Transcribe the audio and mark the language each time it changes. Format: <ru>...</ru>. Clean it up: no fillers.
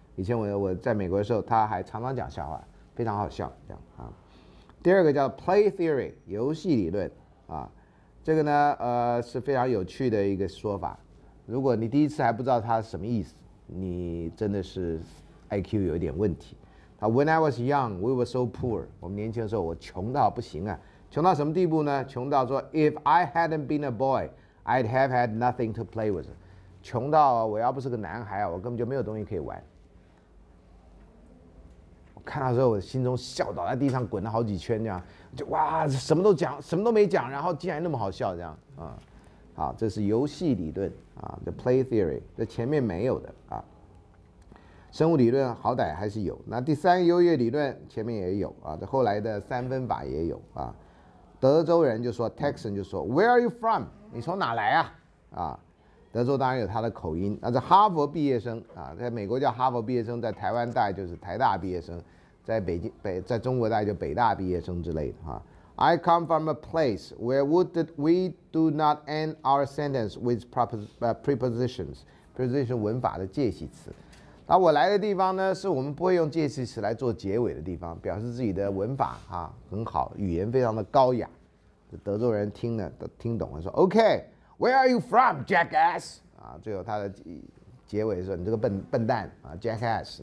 <zh>以前我在美国的时候，她还常常讲笑话，非常好笑这样啊。第二个叫 Play Theory 游戏理论啊，这个呢是非常有趣的一个说法。如果你第一次还不知道它什么意思，你真的是 IQ 有点问题。</zh> <en>When I was young, we were so poor.</en> <zh>我们年轻的时候，我穷到不行啊！穷到什么地步呢？穷到说</zh> <en>，If I hadn't been a boy, I'd have had nothing to play with.</en> <zh>穷到我要不是个男孩啊，我根本就没有东西可以玩。我看到的时候，我心中笑倒在地上，滚了好几圈，这样就哇，什么都讲，什么都没讲，然后竟然那么好笑，这样啊、嗯。好，这是游戏理论啊 ，the play theory， 这前面没有的啊。生物理论好歹还是有，那第三优越理论前面也有啊，这后来的三分法也有啊。德州人就说 ，Texan 就说 ，</zh> <en>Where are you from？</en> <zh>你从哪来啊？啊，德州当然有他的口音。那这哈佛毕业生啊，在美国叫哈佛毕业生，在台湾大概就是台大毕业生，在北京北在中国大概就北大毕业生之类的哈、啊。</zh> <en>I come from a place where would we do not end our sentence with prepositions， preposition</en> <zh>文法的介系词。那我来的地方呢，是我们不会用介系词来做结尾的地方，表示自己的文法啊很好，语言非常的高雅。德州人听了都听懂了，说 OK，</zh> <en>Where are you from, jackass？</en> <zh>啊，最后他的结尾说你这个笨蛋啊 ，jackass。</zh>